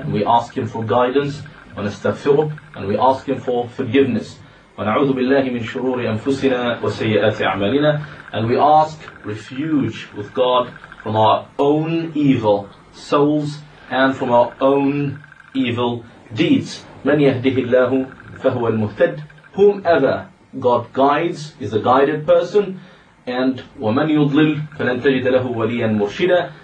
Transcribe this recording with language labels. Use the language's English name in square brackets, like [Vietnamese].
[English] And we ask Him for guidance. [Arabic] ونستغفره. [English] And we ask Him for forgiveness. [Arabic] ونعوذ بالله من شرور أنفسنا وسيئات أعمالنا. [English] And we ask refuge with God from our own evil souls and from our own evil deeds. [Arabic] من يهده الله فهو المهتد. [English] Whomever God guides is a guided person, and [Arabic] وَمَنْ يُضْلِلْ فَلَنْ تَجِدَ لَهُ وَلِيًّا مُرْشِدًا.